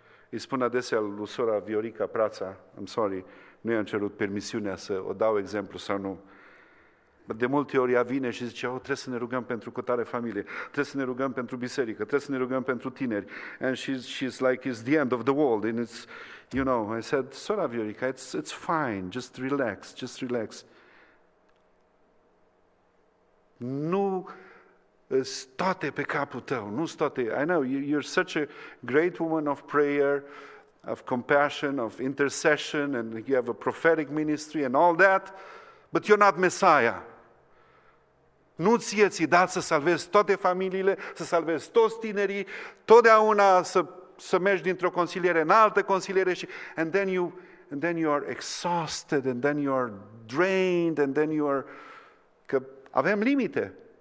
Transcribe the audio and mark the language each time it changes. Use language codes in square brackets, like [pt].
[ro] Îi spun adesea lui sora Viorica Prața, [en] I'm sorry, [ro] nu i-am cerut permisiunea să o dau exemplu sau nu. De multe ori ea vine și zice, trebuie să ne rugăm pentru cutare familie, trebuie să ne rugăm pentru biserică, trebuie să ne rugăm pentru tineri. [en] And she's like, it's the end of the world. And it's, you know, I said, sora Viorica, it's fine, just relax. [ro] Nu sunt toate pe capul tău, nu sunt toate. [en] I know, you're such a great woman of prayer, of compassion, of intercession, and you have a prophetic ministry and all that, but you're not Messiah. [ro] Nu ție ți-i dat să salvezi toate familiile, să salvezi toți tinerii, totdeauna să mergi dintr-o consiliere în altă consiliere și [en] and then you are [ro] exhausted and then you are drained and then you are, că avem limite.